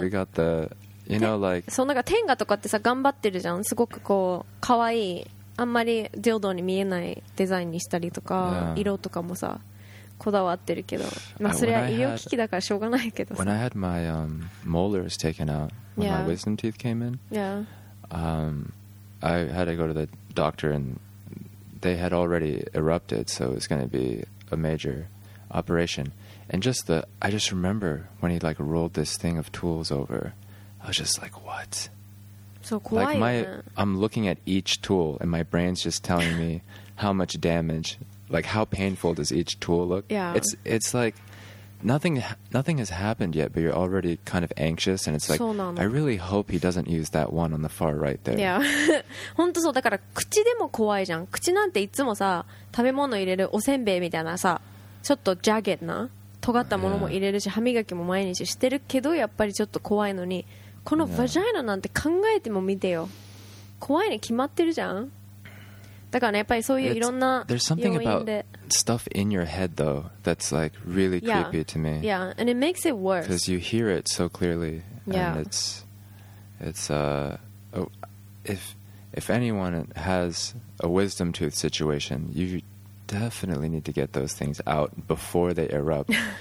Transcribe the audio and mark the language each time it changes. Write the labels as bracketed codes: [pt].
[en] We got the you know like [ja] そうなんかテンガとかってさ頑張ってるじゃん。すごくこうかわいい、あんまりディルドーに見えないデザインにしたりとか、 [en] yeah. [ja] 色とかもさこだわってるけど、まあそれは医療機器だからしょうがないけどさ。 [en] When I had my、molars taken outWhen、yeah. my wisdom teeth came in, yeah,、 I had to go to the doctor and they had already erupted, so it was going to be a major operation. And just the, I just remember when he like rolled this thing of tools over, I was just like, what? So cool. Like my, I'm looking at each tool and my brain's just telling me how much damage, like how painful does each tool look? Yeah. It's like,Nothing has happened yet, but you're already kind of anxious, and it's like, I really hope he doesn't use that one on the far right there. Yeah. [ja] 本当そう。だから口でも怖いじゃん。口なんていつもさ、食べ物入れるおせんべいみたいなさ、ちょっとジャゲットな、尖ったものも入れるし、歯磨きも毎日してるけど、やっぱりちょっと怖いのに、このバジャイナなんて考えても見てよ。怖いに決まってるじゃん。だからね、やっぱりそういういろんな要因で。 [en] There's something about stuff in your head though that's like really creepy yeah, to me. Yeah, and it makes it worse. Because you hear it so clearly. Yeah. And if anyone has a wisdom tooth situation, you definitely need to get those things out before they erupt.